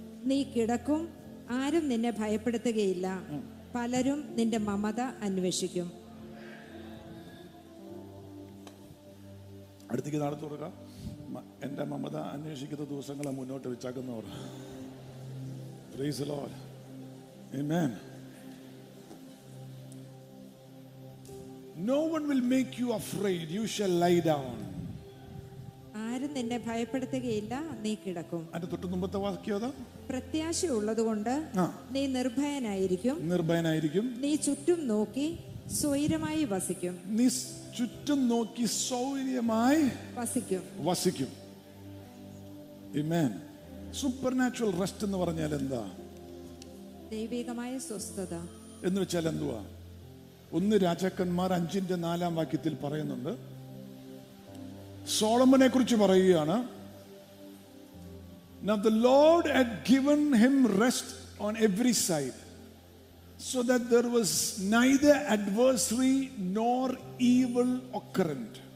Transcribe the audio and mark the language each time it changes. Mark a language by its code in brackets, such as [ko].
[ml] നീ കിടക്കും, ആരും നിന്നെ ഭയപ്പെടുത്തുകയില്ല, പലരും നിന്റെ മമത അന്വേഷിക്കും. അടുത്തേക്ക് നാളെ തുടരുക. എന്റെ മമത അന്വേഷിക്കുന്ന ദിവസങ്ങളെ മുന്നോട്ട് വെച്ചാക്കുന്നവർ, [en] praise the Lord, [ml] amen. [en] No one will make you afraid, you shall lie down. [ml] ആരും നിന്നെ ഭയപ്പെടുത്തുകയില്ല, നീ കിടക്കും. അതിന്റെ തൊട്ട് മുമ്പത്തെ വാക്യം അതാ, പ്രത്യാശ ഉള്ളതുകൊണ്ട് നീ നിർഭയനായിരിക്കും, നിർഭയനായിരിക്കും. നീ ചുറ്റും നോക്കി സ്വൈരമായി വസിക്കും. നീ ചുറ്റും നോക്കി സ്വൈരമായി വസിക്കും, വസിക്കും. ആമേൻ. സൂപ്പർനാച്ചുറൽ റെസ്റ്റ് എന്ന് പറഞ്ഞാൽ എന്താ? ദൈവികമായ സ്വസ്ഥത എന്ന് വെച്ചാൽ എന്തുവാ? ഒന്ന് രാജാക്കന്മാർ 5:4 പറയുന്നുണ്ട്, സോളമനെ കുറിച്ച് പറയുകയാണ്. [en] Now the Lord had given him rest on every side, so that there was neither adversary nor evil occurrent.